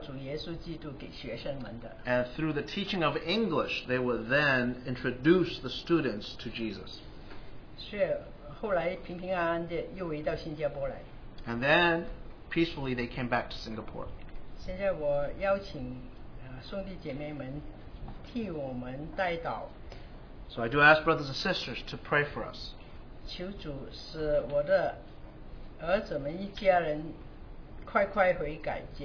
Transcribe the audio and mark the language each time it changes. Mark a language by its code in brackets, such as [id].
[zh] 他们借着教英文时介绍主耶稣基督给学生们的。 [en] And through the teaching of English, they would then introduce the students to Jesus. [zh] 是后来平平安安地又回到新加坡来。 [en] And then, peacefully, they came back to Singapore. [zh] 现在我邀请, 兄弟姐妹们替我们代祷。 [en] So I do ask brothers and sisters to pray for us. [zh] 求主使我的儿子们一家人 快快悔改,